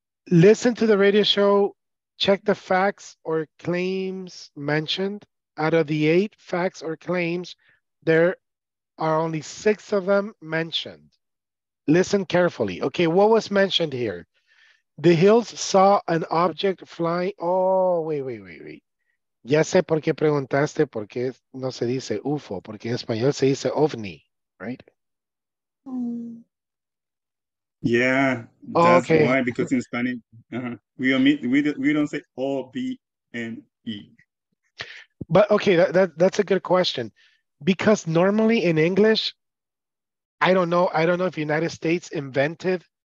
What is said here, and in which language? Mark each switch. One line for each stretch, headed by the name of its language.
English: Listen to the radio show, check the facts or claims mentioned. Out of the 8 facts or claims, there are only 6 of them mentioned. Listen carefully. Okay, what was mentioned here? The hills saw an object flying. Oh, wait.
Spanish: Ya sé por qué preguntaste por qué no se dice UFO, porque en español se dice OVNI, right?
English: Yeah, that's okay. Why, because in Spanish, we don't say O-B-N-E. But okay, that's a good question. Because normally in English, I don't know if United States invented